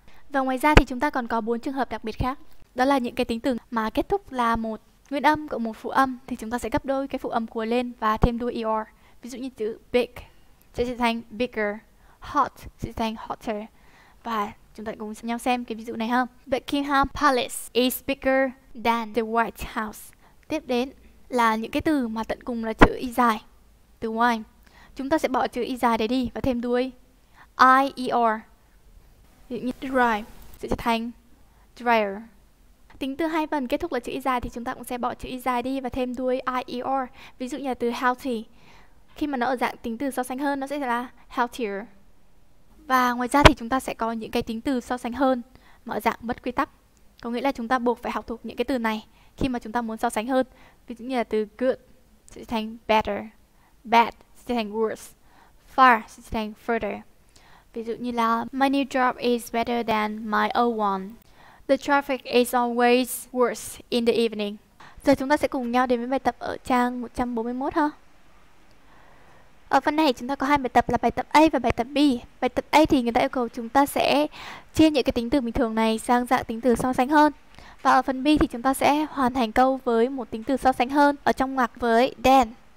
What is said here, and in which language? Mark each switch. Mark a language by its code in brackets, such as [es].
[vi] Và ngoài ra thì chúng ta còn có bốn trường hợp đặc biệt khác. Đó là những cái tính từ mà kết thúc là một nguyên âm cộng một phụ âm thì chúng ta sẽ gấp đôi cái phụ âm cuối lên và thêm đuôi er. Ví dụ như chữ big sẽ trở thành bigger, hot sẽ trở thành hotter. Và chúng ta cùng nhau xem cái ví dụ này ha. [en] Buckingham Palace is bigger than the White House. [vi] Tiếp đến là những cái từ mà tận cùng là chữ y dài, từ y. Chúng ta sẽ bỏ chữ y dài đấy đi và thêm đuôi ier. Ví dụ như dry sẽ trở thành drier. Tính từ hai phần kết thúc là chữ y dài thì chúng ta cũng sẽ bỏ chữ y dài đi và thêm đuôi ier. Ví dụ như từ healthy, khi mà nó ở dạng tính từ so sánh hơn nó sẽ là healthier. Và ngoài ra thì chúng ta sẽ có những cái tính từ so sánh hơn mà ở dạng bất quy tắc, có nghĩa là chúng ta buộc phải học thuộc những cái từ này khi mà chúng ta muốn so sánh hơn. Ví dụ như là từ good sẽ thành better, bad sẽ thành worse, far sẽ thành further. Ví dụ như là [en] my new job is better than my old one. The traffic is always worse in the evening. [vi] Giờ chúng ta sẽ cùng nhau đến với bài tập ở trang 141 ha. Ở phần này chúng ta có hai bài tập là bài tập A và bài tập B. Bài tập A thì người ta yêu cầu chúng ta sẽ chia những cái tính từ bình thường này sang dạng tính từ so sánh hơn. Và ở phần B thì chúng ta sẽ hoàn thành câu với một tính từ so sánh hơn ở trong ngoặc với than.